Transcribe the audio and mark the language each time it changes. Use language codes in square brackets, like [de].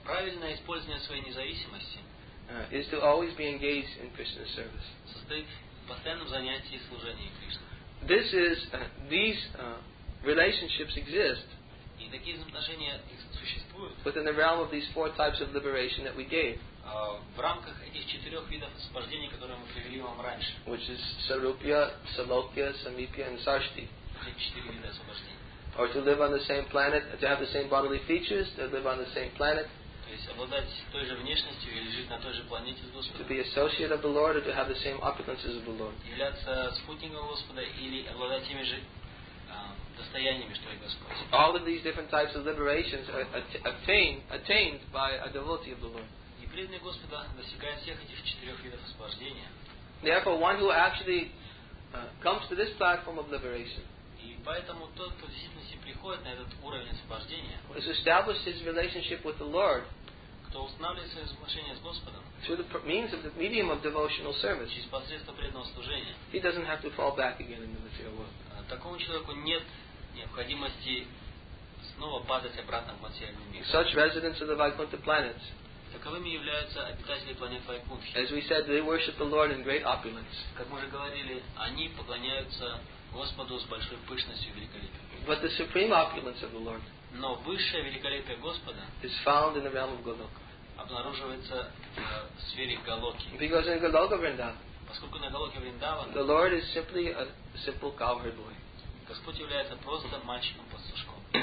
[ru] Правильное использование своей независимости [en] is to always be engaged in Krishna's service. [ru] Состоит в постоянном занятии служения Кришне. [en] This is these relationships exist. [ru] И такие отношения существуют. [en] Within the realm of these four types of liberation that we gave. [ru] В рамках этих четырех видов освобождения, которые мы привели вам раньше. [en] Which is Sarupya, Salokya, Samipya and Sashti. [ru] Четыре вида освобождения. [en] Or to live on the same planet, to have the same bodily features, to live on the same planet. [ru] То есть обладать той же внешностью или жить на той же планете с Господом. [en] To be associate of the Lord or to have the same opulences of the Lord. [ru] Являться спутником Господа или обладать теми же достояниями, что и Господь. [en] All of these different types of liberations are attained by a devotee of the Lord. [ru] Преданный Господа достигает всех этих четырех видов освобождения. [en] Therefore, one who actually comes to this platform of liberation. [ru] И поэтому тот, кто в действительности приходит на этот уровень освобождения, [en] has established his relationship with the Lord. [ru] Кто устанавливает свои отношения с Господом. [en] Through the means of the medium of devotional service. [ru] Через посредством преданного служения. [en] He doesn't have to fall back again in the material world. [ru] Такому человеку нет необходимости снова падать обратно в материальный мир. [en] Such residents of the Vaikuntha planets. [ru] Таковыми являются обитатели планеты Вайкунтхи. [en] As we said, they worship the Lord in great opulence. [ru] Как мы уже говорили, они поклоняются Господу с большой пышностью и великолепием. [en] But the supreme opulence of the Lord. [ru] Но высшее великолепие Господа. [en] Is found in the realm of Goloka. [ru] Обнаруживается в сфере Голоки. [en] Because in Goloka Vrindavan. [ru] Поскольку на Голоке Вриндаван. [en] The Lord is simply a simple cowherd boy. [ru] Господь является просто мальчиком пастушком.